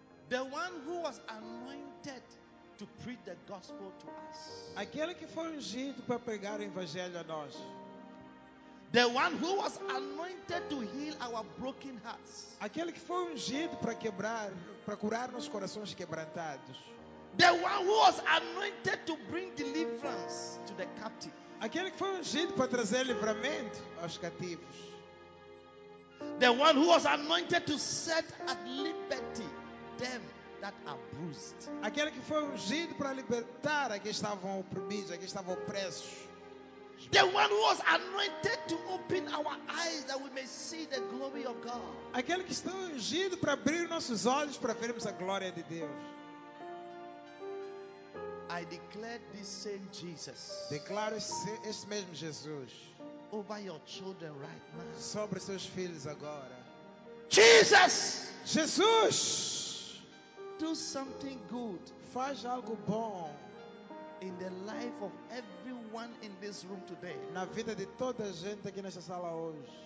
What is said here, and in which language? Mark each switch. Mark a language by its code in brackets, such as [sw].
[en] The one who was anointed to preach the gospel to us. [pt] Aquele que foi ungido para pregar o evangelho a nós. [en] The one who was anointed to heal our broken hearts. [pt] Aquele que foi ungido para quebrar, para curar nossos corações quebrantados. [en] The one who was anointed to bring deliverance to the captive. [pt] Aquele que foi ungido para trazer livramento aos cativos. [en] The one who was anointed to set at liberty them that are bruised. [pt] Aquele que foi ungido para libertar aqueles que estavam oprimidos, aqueles que estavam opressos. [en] The one who was anointed to open our eyes that we may see the glory of God. [pt] Aquele que está ungido para abrir nossos olhos para vermos a glória de Deus. [en] I declare this same Jesus. [pt] Declaro esse mesmo Jesus [en] over your children right now. [pt] Sobre seus filhos agora. [en] Jesus! [pt] Jesus! [en] Do something good. [pt] Faz algo bom. [en] In the life of everyone in this room today. [pt] Na vida de toda a gente aqui nessa sala hoje.